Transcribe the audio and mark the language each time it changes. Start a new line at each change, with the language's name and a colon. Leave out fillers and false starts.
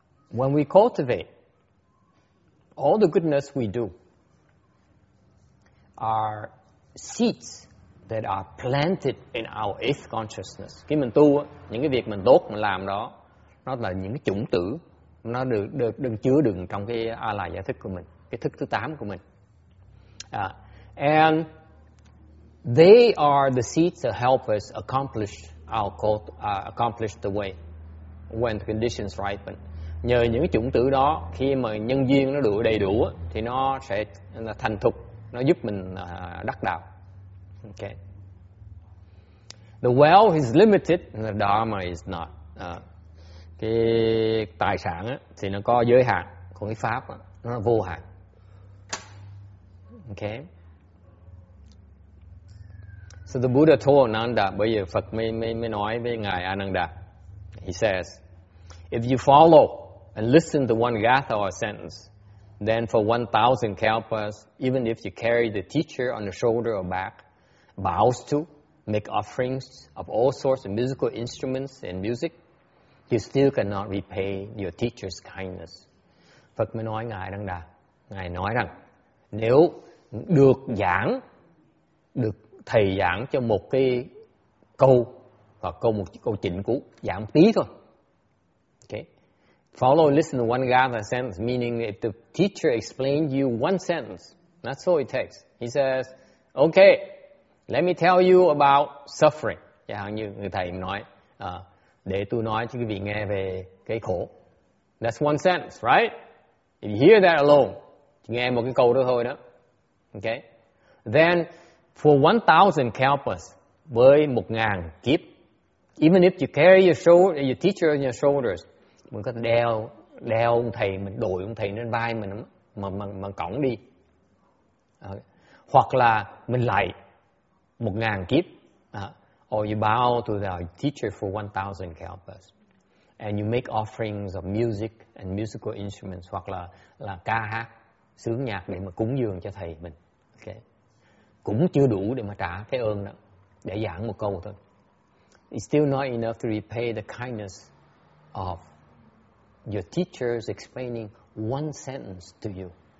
English: When we cultivate all the goodness we do are seeds that are planted in our eighth consciousness.
Vietnamese: Khi mình tu, những cái việc mình tốt mình làm đó, nó là những cái chủng tử, nó được chứa đựng trong cái A Lại giải thức của mình, cái thức thứ 8 của mình.
English: And they are the seeds that help us accomplish our accomplish the way when the conditions ripen.
Vietnamese: Nhờ những chủng tử đó, khi mà nhân duyên nó đủ đầy đủ thì nó sẽ thành thục, nó giúp mình đắc đạo.
English: Okay. The wealth is limited and the dharma is not.
Vietnamese: Cái tài sản á thì nó có giới hạn, còn cái pháp á nó vô hạn.
English: Okay. So the Buddha told Ananda,
Vietnamese: bây giờ Phật mới nói với ngài Ananda.
English: He says, if you follow and listen to one gatha or sentence, then for 1,000 kalpas, even if you carry the teacher on the shoulder or back, bows to, make offerings of all sorts of musical instruments and music, you still cannot repay your teacher's kindness.
Vietnamese: Phật mới nói ngài Đăng Đà, ngài nói rằng nếu được giảng, được thầy giảng cho một cái câu hoặc câu một câu chỉnh cú, giảng tí thôi.
English: Follow, listen to one gatha sentence, meaning if the teacher explained you one sentence, that's all it takes. He says, okay, let me tell you about suffering.
Vietnamese: Chẳng hạn như người thầy nói, để tôi nói cho quý vị nghe về cái khổ.
English: That's one sentence, right? If you hear that alone,
Vietnamese: nghe một cái câu đó thôi đó.
English: Okay? Then, for 1,000 kalpas,
Vietnamese: với 1,000 kiếp.
English: Even if you carry your shoulder, your teacher on your shoulders,
Vietnamese: mình có thể đeo ông thầy, mình đội ông thầy lên vai mình mà cõng đi. Hoặc là mình lại 1,000 kiếp.
English: Or you bow to the teacher for 1,000 kalpas. And you make offerings of music and musical instruments,
Vietnamese: hoặc là ca hát, sướng nhạc để mà cúng dường cho thầy mình. Okay. Cũng chưa đủ để mà trả cái ơn đó, để giảng một câu thôi.
English: It's still not enough to repay the kindness of your teachers explaining one sentence to you.